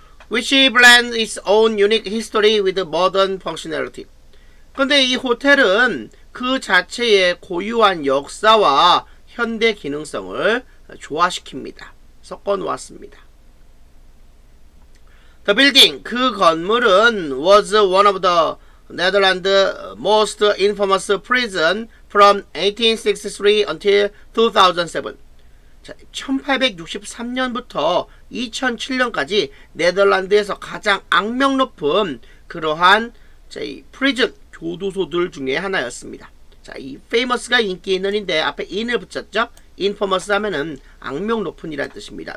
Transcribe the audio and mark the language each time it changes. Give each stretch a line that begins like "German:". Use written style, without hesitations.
English: Which blends its own unique history with modern functionality.
Korean: 근데 이 호텔은 그 자체의 고유한 역사와 현대 기능성을 조화시킵니다. 섞어 놓았습니다.
English: The building,
Korean: 그 건물은
English: was one of the Netherlands' most infamous prison from 1863 until 2007.
Korean: 자, 1863년부터 2007년까지 네덜란드에서 가장 악명 높은 그러한 프리즌 교도소들 중에 하나였습니다. 자, 이 famous가 인기 있는인데 앞에 in을 붙였죠? infamous 하면은 악명 높은이라는 뜻입니다.